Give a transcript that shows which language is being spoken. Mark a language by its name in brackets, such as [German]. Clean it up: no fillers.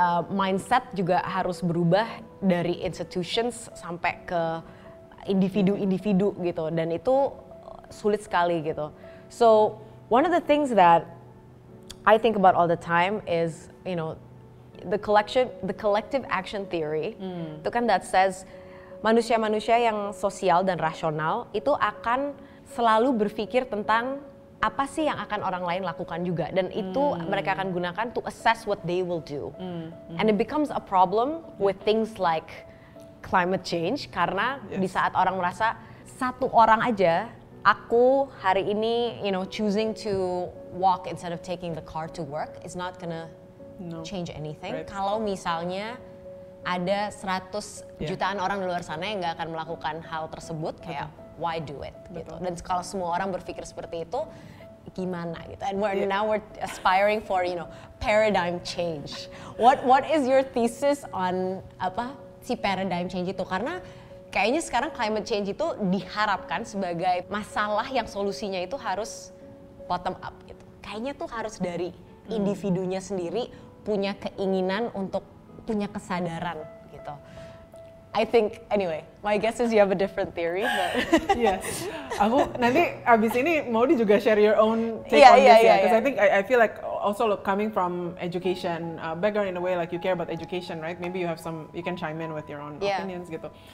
[Indonesian] Mindset juga harus berubah dari institutions sampai ke individu-individu gitu, dan itu sulit sekali gitu. [English] So one of the things that I think about all the time is, you know, the collective action theory. [Indonesian] Itu kan [English] that says [Indonesian] manusia-manusia yang sosial dan rasional itu akan selalu berpikir tentang apa sih yang akan orang lain lakukan juga, dan itu mereka akan gunakan [English] to assess what they will do. And it becomes a problem with things like climate change, [Indonesian] karena di saat orang merasa satu orang aja, aku hari ini, [English] you know, choosing to walk instead of taking the car to work is not gonna change anything. Right. [Indonesian] Kalau misalnya ada 100 jutaan orang di luar sana yang gak akan melakukan hal tersebut, kayak [English] why do it? [Indonesian] Gitu. Dan kalau semua orang berpikir seperti itu, gimana gitu? [English] And we're now we're aspiring for, you know, paradigm change. What is your thesis on [Indonesian] apa si [English] paradigm change itu? [Indonesian] Karena kayaknya sekarang climate change itu diharapkan sebagai masalah yang solusinya itu harus bottom up gitu. Kayaknya tuh harus dari individunya sendiri punya keinginan untuk punya kesadaran gitu. [English] I think, anyway, my guess is you have a different theory, but... [Indonesian] Aku nanti abis ini mau di juga [English] share your own take on this, I think I feel like also look, coming from education background in a way, like you care about education, right? Maybe you have some, you can chime in with your own opinions gitu.